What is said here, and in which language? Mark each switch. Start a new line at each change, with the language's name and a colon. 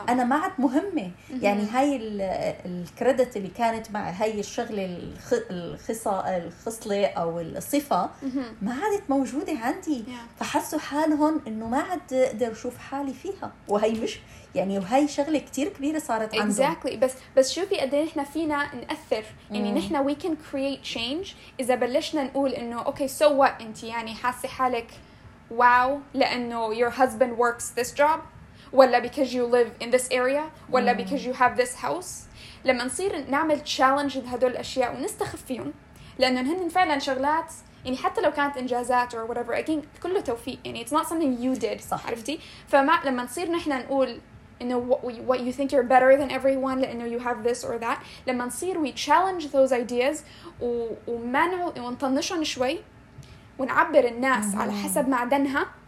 Arabic: انا ما عاد مهمه يعني هاي الكريدت اللي كانت مع هاي الشغله الخصله او الصفه ما عادت موجوده عندي.
English: yeah.
Arabic: فحسوا حالهم انه ما عاد اقدر اشوف حالي فيها, وهي مش يعني وهي شغله كتير كبيره صارت عندهم.
English: exactly.
Arabic: بس شوفي قد احنا فينا ناثر يعني. نحن
English: we can create change
Arabic: اذا بلشنا نقول انه اوكي سو وات, انت يعني حاسه حالك واو لأنه
English: your husband works this job
Arabic: ولا
English: because you live in this area ولا because you have this house.
Arabic: لما نصير نعمل challenge بهدول الأشياء ونستخفيهم لأنه هن فعلا شغلات يعني حتى لو كانت إنجازات
English: or whatever
Arabic: again كله توفيق يعني
English: it's not something you did.
Arabic: صح. عرفتي؟ فما لما نصير نحن نقول إنه
English: what you think you're better than everyone
Arabic: لأنه
English: you have this or that,
Arabic: لما نصير
English: we challenge those ideas
Arabic: ونطنشهم شوي ونعبر الناس على حسب معدنها.